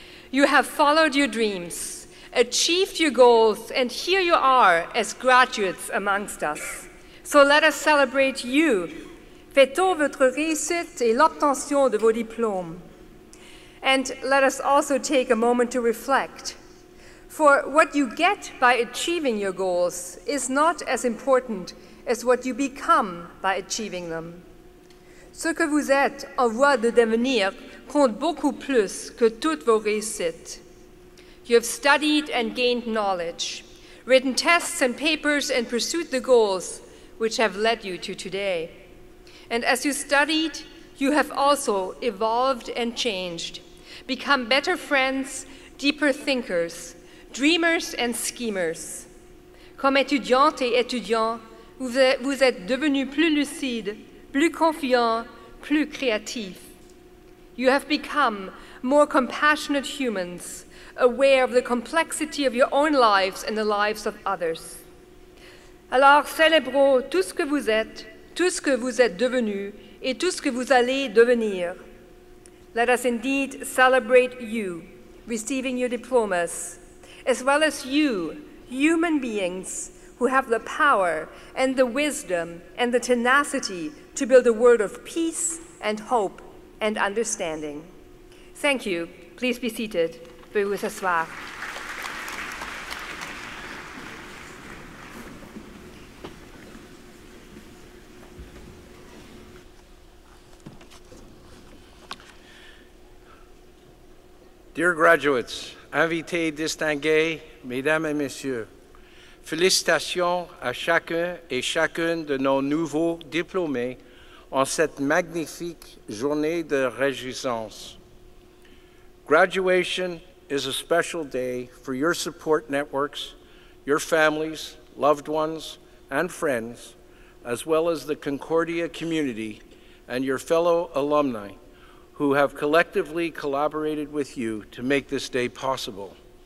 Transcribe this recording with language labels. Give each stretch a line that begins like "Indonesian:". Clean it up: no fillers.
English: You have followed your dreams, achieved your goals, and here you are as graduates amongst us. So let us celebrate you.
French: Fêtons votre réussite et l'obtention de vos diplômes.
English: And let us also take a moment to reflect. For what you get by achieving your goals is not as important as what you become by achieving them.
French: Ce que vous êtes en voie de devenir compte beaucoup plus que toutes vos réussites.
English: You have studied and gained knowledge, written tests and papers and pursued the goals which have led you to today. And as you studied, you have also evolved and changed, become better friends, deeper thinkers, dreamers and schemers.
French: Comme étudiante et étudiant, vous êtes devenu plus lucide, plus confiant, plus créatif.
English: You have become more compassionate humans, aware of the complexity of your own lives and the lives of others.
French: Alors célébrons tout ce que vous êtes, tout ce que vous êtes devenu, et tout ce que vous allez devenir.
English: Let us indeed celebrate you, receiving your diplomas, as well as you, human beings, who have the power and the wisdom and the tenacity to build a world of peace and hope and understanding. Thank you. Please be seated.
French: Veuillez vous asseoir.
English: Dear graduates,
French: invités distingués, mesdames et messieurs, félicitations à chacun et chacune de nos nouveaux diplômés en cette magnifique journée de réjouissance.
English: Graduation is a special day for your support networks, your families, loved ones, and friends, as well as the Concordia community and your fellow alumni who have collectively collaborated with you to make this day possible.